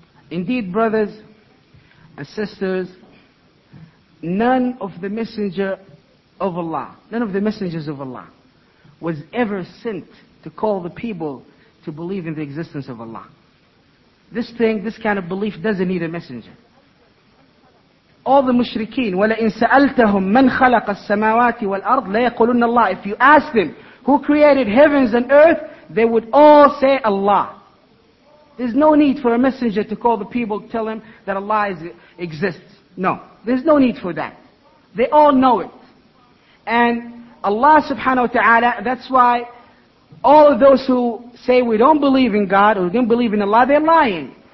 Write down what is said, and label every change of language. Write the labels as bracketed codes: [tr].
[en] Indeed, brothers and sisters, none of the messenger of Allah, none of the messengers of Allah was ever sent to call the people to believe in the existence of Allah. This thing, this kind of belief doesn't need a messenger. All the mushrikeen, [ar] وَلَئِن سَأَلْتَهُمْ مَنْ خَلَقَ السَّمَاوَاتِ وَالْأَرْضِ لَيَقُلُنَّ اللَّهِ. [en] If you ask them, who created heavens and earth, they would all say Allah. There's no need for a messenger to call the people, tell them that Allah exists. No, there's no need for that. They all know it. And Allah subhanahu wa ta'ala, that's why all of those who say we don't believe in God, or we don't believe in Allah, they're lying.